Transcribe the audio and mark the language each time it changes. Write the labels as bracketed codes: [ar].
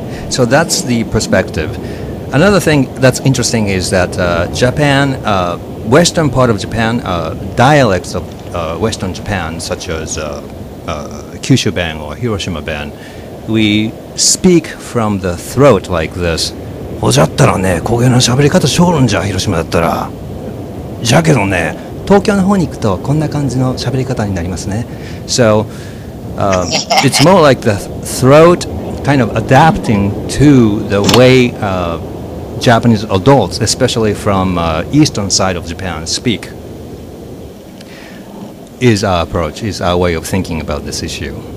[en] So that's the perspective. Another thing that's interesting is that Japan, western part of Japan, dialects of western Japan, such as Kyushu Ben or Hiroshima Ben, we speak from the throat like this. [ja] ほじゃったらね、こういうの喋り方しょるんじゃ、広島だったら。じゃけどね、東京の方に行くとこんな感じの喋り方になりますね。 [en] So, it's more like the throat kind of adapting to the way Japanese adults, especially from eastern side of Japan, speak. Is our approach, is our way of thinking about this issue.